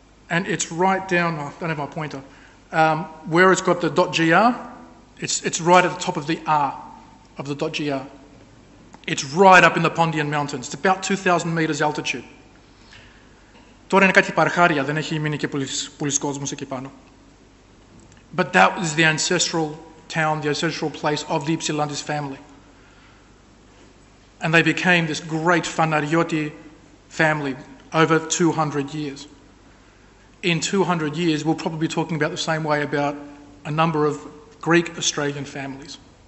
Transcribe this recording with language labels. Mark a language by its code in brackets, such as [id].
[en] And it's right down, I don't have my pointer, where it's got the .gr, it's right at the top of the R of the .gr. It's right up in the Pontian Mountains. It's about 2,000 metres altitude. [el] Τώρα είναι κάτι παρχάρια, δεν έχει μείνει και πολλοί κόσμος εκεί πάνω. [en] But that is the ancestral town, the ancestral place of the Ypsilantis family. And they became this great Φαναριώτη family over 200 years. In 200 years, we'll probably be talking about the same way about a number of Greek-Australian families.